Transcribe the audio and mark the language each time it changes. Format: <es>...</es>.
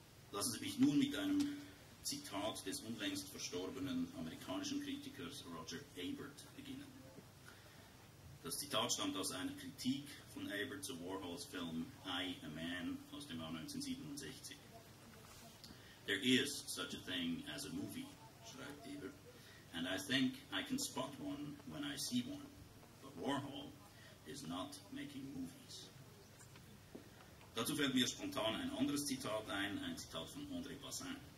<de>Lassen Sie mich nun mit einem Zitat des unlängst verstorbenen amerikanischen Kritikers Roger Ebert beginnen. Das Zitat stammt aus einer Kritik von Ebert zu Warhols Film I, a Man aus dem Jahr 1967.</de> <en>There is such a thing as a movie,</en> <de>schreibt Ebert,</de> <en>and I think I can spot one when I see one. But Warhol is not making movies.</en> <de>Dazu fällt mir spontan ein anderes Zitat ein Zitat von André Bazin.</de>